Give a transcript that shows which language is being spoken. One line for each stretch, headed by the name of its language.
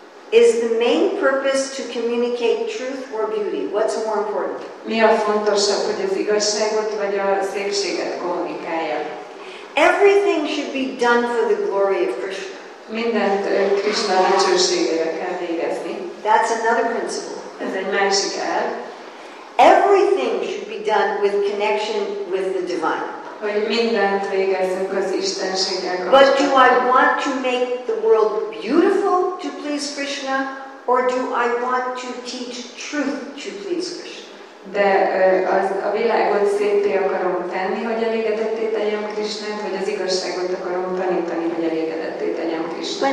English: Is the main purpose to communicate truth or beauty? What's more important?
Hungarian: Mi a fontosabb, hogy az igazságot vagy a szépséget kommunikálja?
English: Everything should be done for the glory of Krishna.
Hungarian: Mindent Krishna dicsőségére kell végezni.
English: That's another principle.
Hungarian: Ez egy másik elv.
English: Everything should be done with connection with the divine.
Hungarian: Hogy mindent végezzünk az Istenséggel.
English: But do I want to make the world beautiful to please Krishna, or do I want to teach truth to please Krishna?
Hungarian: De a világot szépé akarom tenni, hogy elégedetté tegyem Krishnát, vagy az igazságot akarom tanítani, hogy elégedetté tegyem Krishnát.